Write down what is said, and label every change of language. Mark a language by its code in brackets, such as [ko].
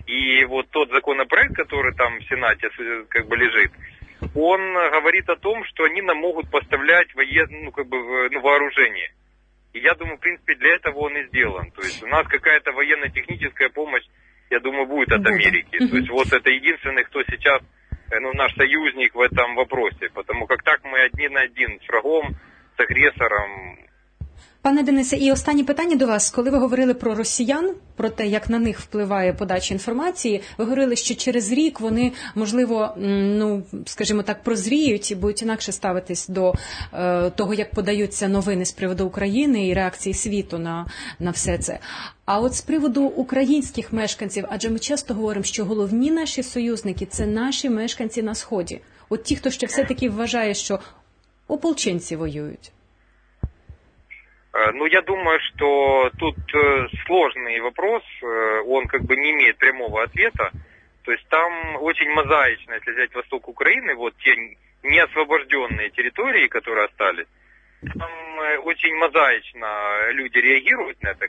[ru] И вот тот законопроект, который там в Сенате лежит, он говорит о том, что они нам могут поставлять вооружение. И я думаю, в принципе, для этого он и сделан. То есть у нас какая-то военно-техническая помощь, я думаю, будет от Америки. То есть вот это единственный, кто сейчас ну, наш союзник в этом вопросе, потому как так мы один на один с врагом, с агрессором. [uk] Пане Денисе, і останнє питання до вас. Коли ви говорили про росіян, про те, як на них впливає подача інформації, ви говорили, що через рік вони, можливо, ну, скажімо так, прозріють і будуть інакше ставитись до того, як подаються новини з приводу України і реакції світу на все це. А от з приводу українських мешканців, адже ми часто говоримо, що головні наші союзники – це наші мешканці на Сході. От ті, хто ще все-таки вважає, що ополченці воюють. [ru] Ну, я думаю, что тут сложный вопрос, он как бы не имеет прямого ответа. То есть там очень мозаично, если взять восток Украины, вот те неосвобожденные территории, которые остались, там очень мозаично люди реагируют на это.